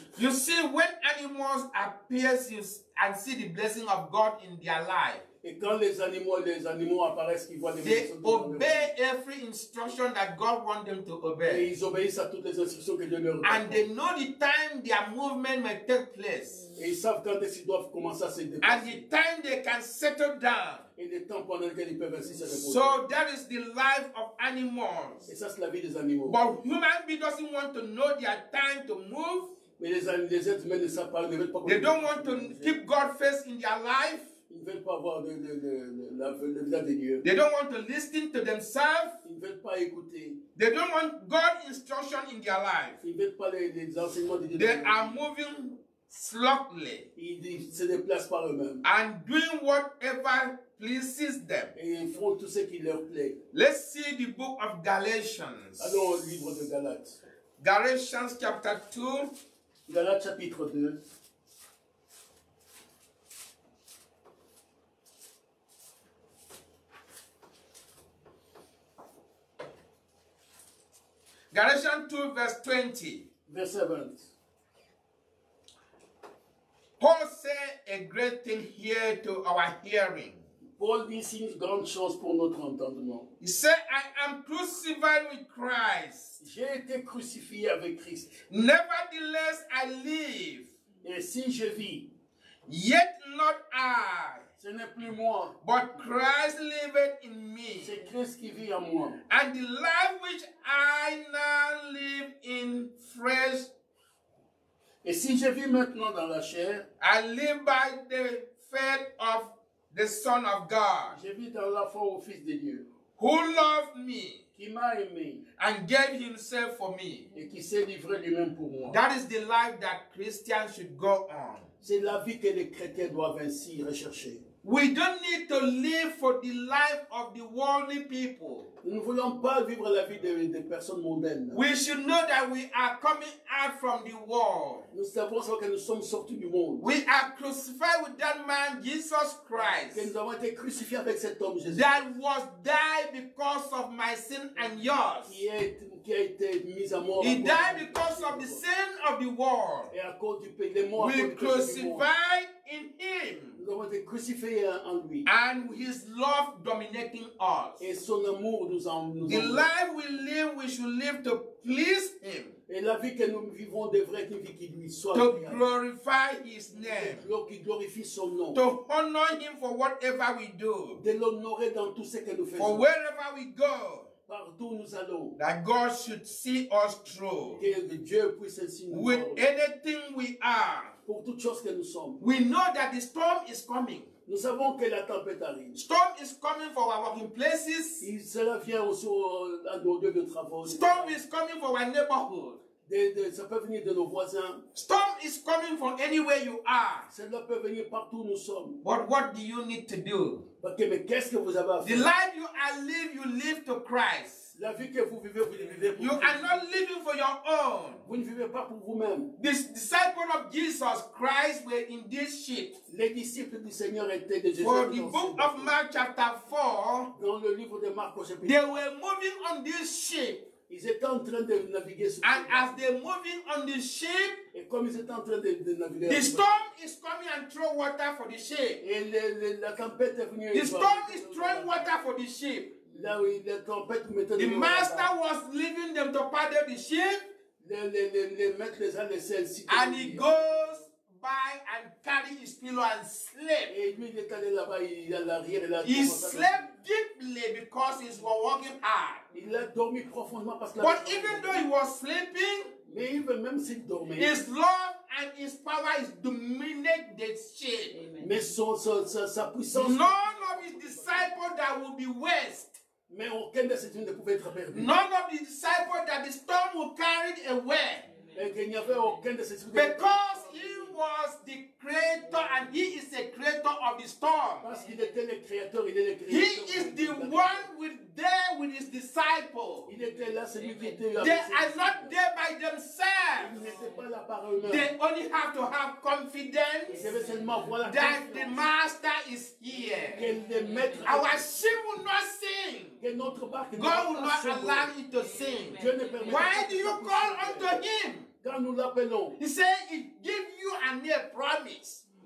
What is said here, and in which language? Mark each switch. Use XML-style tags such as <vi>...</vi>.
<en>You see, when animals appear and see the blessing of God in their life,</en> <fr>et quand les animaux apparaissent, ils voient les bénédictions.</fr> <en>They obey every instruction that God wants them to obey.</en> <fr>Et ils obéissent à toutes les instructions que Dieu leur donne.</fr> <en>And they know the time their movement may take place.</en> <fr>Et ils savent quand ils doivent commencer à se déplacer.</fr> <en>And the time they can settle down.</en> <fr>Et le temps pendant lequel ils peuvent ainsi se reposer.</fr> <en>So that is the life of animals.</en> <fr>Et ça c'est la vie des animaux.</fr> <en>But human beings doesn't want to know their time to move.</en> <fr>Mais les êtres humains ne savent pas, ne veulent pas.</fr> <en>They don't want to keep God first in their life.</en> <fr>Ils ne veulent pas voir le visage de Dieu.</fr> <en>They don't want to listen to themselves.</en> <fr>Ils ne veulent pas écouter.</fr> <en>They don't want God's instruction in their life.</en> <fr>Ils ne veulent pas les enseignements de Dieu.</fr> <en>They are moving sloppily.</en> <fr>Ils se déplacent par eux-mêmes.</fr> <en>And doing whatever pleases them.</en> <fr>Et ils font tout ce qui leur plaît.</fr> <en>Let's see the book of Galatians.</en> <fr>Allons au livre de Galates.</fr> <en>Galatians chapter 2.</en> <fr>Galates chapitre 2.</fr> <en>Galatians 2, verse 20. Verse 7. Paul said a great thing here to our hearing.</en> <fr>Paul dit une grande chose pour notre entendement.</fr> <en>He said, I am crucified with Christ.</en> <fr>J'ai été crucifié avec Christ.</fr> <en>Nevertheless, I live.</en> <fr>Et si je vis.</fr> <en>Yet not I.</en> <fr>Ce n'est plus moi.</fr> <en>But Christ liveth in me.</en> <fr>C'est Christ qui vit en moi.</fr> <en>And the life which I now live in flesh.</en> <fr>Et si je vis maintenant dans la chair.</fr> <en>I live by the faith of the Son of God.</en> <fr>Je vis dans la foi au Fils de Dieu.</fr> <en>Who loved me.</en> <fr>Qui m'a aimé.</fr> <en>And gave himself for me.</en> <fr>Et qui s'est livré lui-même pour moi.</fr> <en>That is the life that Christians should go on.</en> <fr>C'est la vie que les chrétiens doivent ainsi rechercher.</fr> <en>We don't need to live for the life of the worldly people.</en> <fr>Nous ne voulons pas vivre la vie des personnes mondaines.</fr> <en>We should know that we are coming out from the world.</en> <fr>Nous savons que nous sommes sortis du monde.</fr> <en>We are crucified with that man, Jesus Christ.</en> <fr>Que nous avons été crucifiés avec cet homme, Jésus.</fr> <en>That was died because of my sin and yours.</en> <fr>Qui a été mis à mort.</fr> <en>He died because of the sin of the world.</en> <fr>Et à cause du péché mort.</fr> <en>We crucified in him.</en> <fr>Nous avons été crucifiés en lui.</fr> <en>And his love dominating us.</en> <fr>Et son amour.</fr> <en>The life we live, we should live to please him.</en> <fr>Et la vie que nous vivons devrait être une vie qui lui soit</fr> <en>to</en> <fr>bien.</fr> <en>Glorify his name.</en> <fr>Qui glorifie son nom.</fr> <en>To honor him for whatever we do.</en> <fr>De l'honorer dans tout ce que nous faisons.</fr> <en>For wherever we go.</en> <fr>Partout nous allons.</fr> <en>That God should see us through.</en> <fr>Que Dieu puisse ainsi nous</fr> <en>with</en> <fr>voir.</fr> <en>Anything we are.</en> <fr>Pour toutes choses que nous sommes.</fr> <en>We know that the storm is coming.</en> <fr>Nous savons que la tempête arrive.</fr> <en>Storm is coming for our working places.</en> <fr>Et cela vient aussi à nos lieux de travail.</fr> <en>Storm is coming for our neighborhood.</en> <fr>Ça peut venir de nos voisins.</fr> <en>Storm is coming from anywhere you are.</en> <fr>Cela peut venir partout où nous sommes.</fr> <en>But what do you need to do?</en> <fr>Okay, mais qu'est-ce que vous avez à faire?</fr> <en>The life you are live, you live to Christ.</en> <fr>La vie que vous vivez, vous vivez pour</fr> <en>you</en> <fr>vous.</fr> <en>Are not living for your own.</en> <fr>Vous ne vivez pas pour vous-même.</fr> <en>This disciple of Jesus Christ were in this ship.</en> <fr>Les disciples du Seigneur étaient de Jésus.</fr> <en>For the book of Mark chapter 4,</en> <fr>dans le livre de Marc, chapitre</fr> <en>4, they were moving on this ship.</en> <fr>Ils étaient en train de naviguer sur</fr> <en>and as they're moving on the ship,</en> <fr>et comme ils étaient en train de naviguer,</fr> <en>the storm is coming and throw water for the ship.</en> <fr>Et la tempête est venue.</fr> <en>The storm is throwing water for the ship.</en> <fr>Là où la tempête mettait</fr> <en>the master water. Was leaving them to paddle the ship.</en> <fr>Le maître les a laissé ainsi.</fr> <en>And he goes by and carry his pillow and sleep.</en> <fr>Et lui, il est allé là-bas, il a l'arrière et la tombe.</fr> <en>He slept deeply because he was working hard.</en> <fr>Il a dormi profondément parce que</fr> <en>but even though he was sleeping,</en> <fr>mais</fr> <en>even</en> <fr>même s'il dormait,</fr> <en>his love and his power is dominated the ship.</en> <fr>Mais sa puissance.</fr> <en>None of his disciples that will be waste.</en> <fr>Mais aucun de ses disciples ne pouvait être perdu.</fr> <en>None of his disciples that the storm will carry away.</en> <fr>Et qu'il n'y avait aucun de ses disciples.</fr> <en>Because he was the creator and he is the creator of the storm.</en> <fr>Parce qu'il était le créateur, il est le créateur.</fr> <en>He is the one with there with his disciples.</en> <fr>Il était là, celui qui était avec</fr> <en>they are not there by themselves.</en> <fr>Ils n'étaient pas là par eux-mêmes.</fr> <en>They only have to have confidence</en> <fr>ils seulement avoir la</fr> <en>that</en> <fr>confiance.</fr> <en>The master is here.</en> <fr>Que le maître</fr> <en>our ship will not sing.</en> <fr>Que notre barque</fr> <en>God</en> <fr>ne</fr> <en>will not allow it to sing.</en> <fr>Dieu ne permet</fr> <en>why do you call sing? Unto him?</en> <fr>Quand nous l'appelons.</fr> <en>He said, he give you a near promise.</en>